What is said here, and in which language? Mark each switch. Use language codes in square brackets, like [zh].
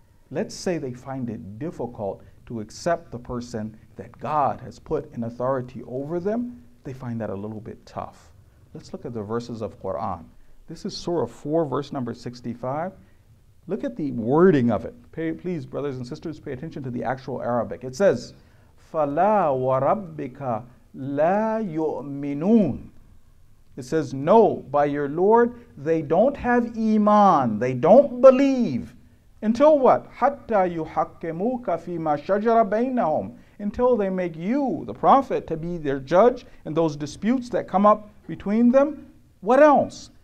[en] Let's say they find it difficult to accept the person that God has put in authority over them. They find that a little bit tough. Let's look at the verses of Quran. This is Surah 4, verse number 65. Look at the wording of it. Please, brothers and sisters, pay attention to the actual Arabic. It says, [ar] فَلَا وَرَبِّكَ لَا يُؤْمِنُونَ. [en] It says, no, by your Lord, they don't have iman, they don't believe. Until what? [ar] حَتَّى يُحَكِّمُوكَ فِي مَا شَجَرَ بَيْنَهُمْ. [en] Until they make you, the Prophet, to be their judge in those disputes that come up between them. What else?